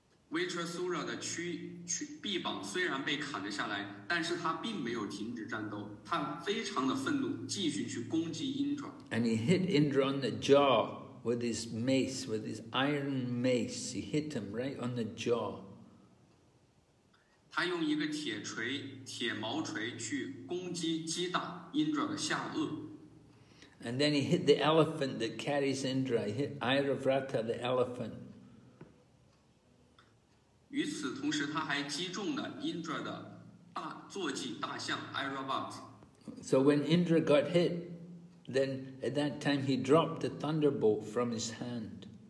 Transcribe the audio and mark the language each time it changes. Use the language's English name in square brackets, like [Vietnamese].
[Chinese] Vritasura 的臂膀虽然被砍了下来，但是他并没有停止战斗，他非常的愤怒，继续去攻击 Indra。 [English] And he hit Indra on the jaw with his mace, with his iron mace. He hit him right on the jaw. [Chinese] 他用一个铁锤、铁矛锤去攻击、击打印度的下颚。 [English] And then he hit the elephant that carries Indra. He hit Airavrata, the elephant. [Chinese] 与此同时，他还击中了 Indra 的大坐骑大象 Airavrata. [English] So when Indra got hit, then at that time he dropped the thunderbolt from his hand.